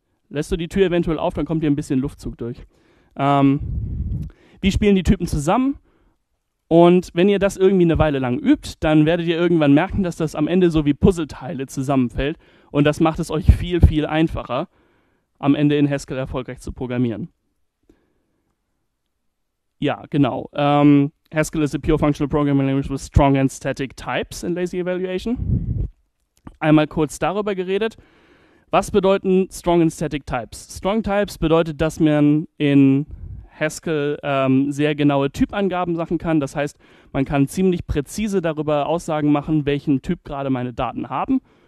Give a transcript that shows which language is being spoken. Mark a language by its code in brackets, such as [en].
[de] Lässt du die Tür eventuell auf, dann kommt hier ein bisschen Luftzug durch. Wie spielen die Typen zusammen? Und wenn ihr das irgendwie eine Weile lang übt, dann werdet ihr irgendwann merken, dass das am Ende so wie Puzzleteile zusammenfällt. Und das macht es euch viel, viel einfacher, am Ende in Haskell erfolgreich zu programmieren. Ja, genau. [en] Haskell is a pure functional programming language with strong and static types in lazy evaluation. [de] Einmal kurz darüber geredet. Was bedeuten strong and static types? Strong types bedeutet, dass man in Haskell sehr genaue Typangaben machen kann. Das heißt, man kann ziemlich präzise darüber Aussagen machen, welchen Typ gerade meine Daten haben.